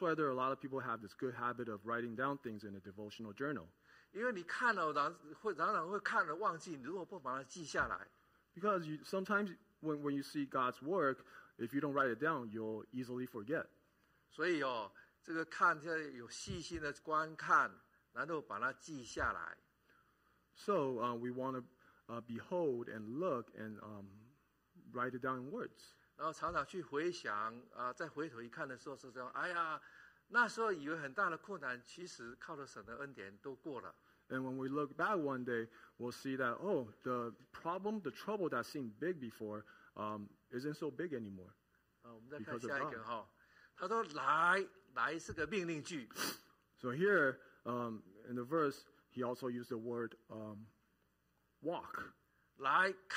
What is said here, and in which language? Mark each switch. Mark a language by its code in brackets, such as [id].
[en] why there are a lot of people who have this good habit of writing down things in a devotional journal. [zh] 因为你看了，然后会常常会看了忘记，你如果不把它记下来。 [en] Because sometimes when you see God's work, if you don't write it down, you'll easily forget. [zh] 所以哦。这个看，这有细心的观看，然后把它记下来。 [en] So we want to behold and look and write it down in words. [zh] 然后常常去回想，再回头一看的时候，是这样，哎呀，那时候以为很大的困难，其实靠着神的恩典都过了。 [en] And when we look back one day, we'll see that, oh, the problem, the trouble that seemed big before isn't so big anymore. [zh] 我们再看下一个哈，他说来。来是个命令句。 [en] So here, in the verse, he also used the word walk.